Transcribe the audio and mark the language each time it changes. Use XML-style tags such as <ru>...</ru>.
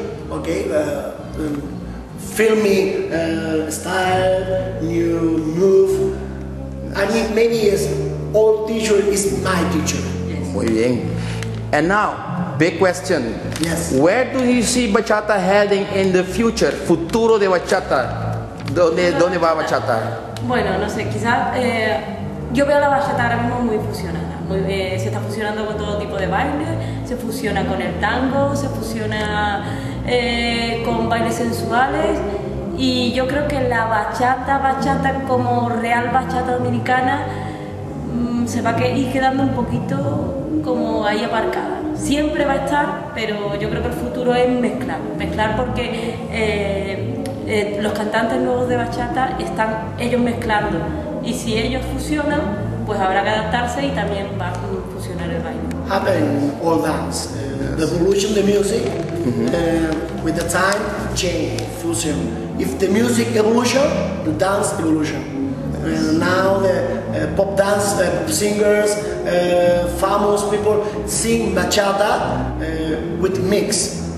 <en>Okay, filming style, new move. I mean, maybe it's old teacher is my teacher. Yes.</en> <es>Muy bien.</es> <en>And now, big question. Yes. Where do you see bachata heading in the future?</en> <es>Futuro de bachata. ¿Dónde va bachata? Bueno, no sé, quizás yo veo la bachata ahora mismo muy fusionada. Se está fusionando con todo tipo de baile, se fusiona con el tango, se fusiona con bailes sensuales y yo creo que la bachata como real bachata dominicana se va a ir quedando un poquito como ahí aparcada. Siempre va a estar, pero yo creo que el futuro es mezclar porque los cantantes nuevos de bachata están ellos mezclando y si ellos fusionan pues habrá que adaptarse y también va a fusionar el baile.</es> <en>Happen all dance, the evolution of the music, with the time change, fusion. If the music evolution, the dance evolution. Now the pop dance singers, famous people sing bachata with mix.</en>